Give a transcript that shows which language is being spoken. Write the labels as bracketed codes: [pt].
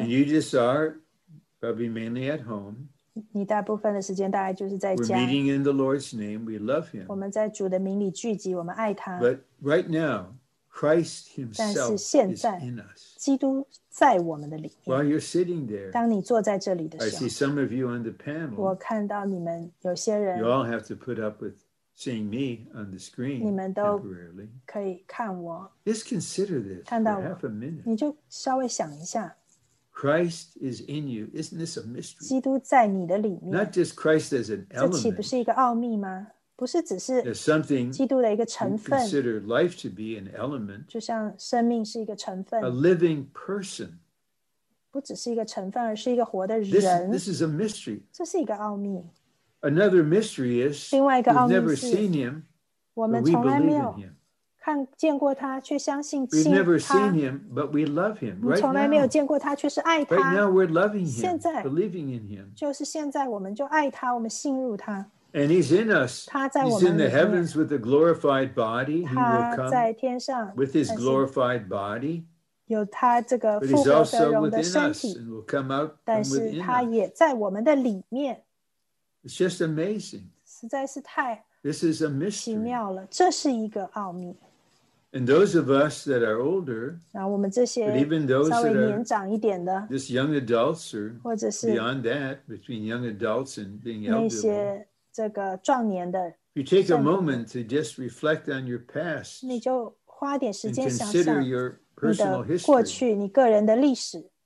[en] And you just are probably mainly at home. [zh] 你大部分的时间大概就是在家。 [en] We're meeting in the Lord's name. We love Him. [zh] 我们在主的名里聚集, 我们爱他。 [en] But right now, Christ Himself [zh] 但是现在, [en] is in us. [zh] 基督在我们的里面。 [en] While you're sitting there, [zh] 当你坐在这里的时候, [en] I see some of you on the panel. [zh] 我看到你们有些人, [en] you all have to put up with seeing me on the screen temporarily. Just consider this for half a minute. [zh] 你就稍微想一下, [en] Christ is in you. Isn't this a mystery? [zh] 基督在你的里面, [en] not just Christ as an element. [zh] 这岂不是一个奥秘吗?不是只是 [en] something [zh] 基督的一个成分, [en] you consider life to be an element. [zh] 就像生命是一个成分, [en] a living person. [zh] 不只是一个成分, [en] this is a mystery. [zh] 这是一个奥秘。 [en] Another mystery is [zh] 另外一个奥秘是, [en] we've never seen him, but we believe in him. [zh] 看见过他, 却相信他, [en] we've never seen him, but we love him. Right now, [zh] 你从来没有见过他, 却是爱他, [en] right now we're loving him, [zh] 现在, [en] believing in him. [zh] 就是现在我们就爱他, 我们信入他, [en] and he's in us. [zh] 他在我们里面, [en] he's in the heavens with a glorified body. He will come [zh] 他在天上, [en] with his glorified body. [zh] 有他这个复活的荣的身体, [en] but he's also within us and will come out from within us. It's just amazing. [zh] 实在是太, [en] this is a mystery. [zh] 奇妙了, 这是一个奥秘。 [en] And those of us that are older, [zh] 然后我们这些, [en] but even those that are [zh] 年长一点的, [en] just young adults or [zh] 或者是, [en] beyond that, between young adults and being elderly, [zh] 那些这个壮年的, [en] if you take a moment to just reflect on your past, [zh] 你就花点时间想想, [en] and consider your personal history, [zh] 你的过去, 你个人的历史,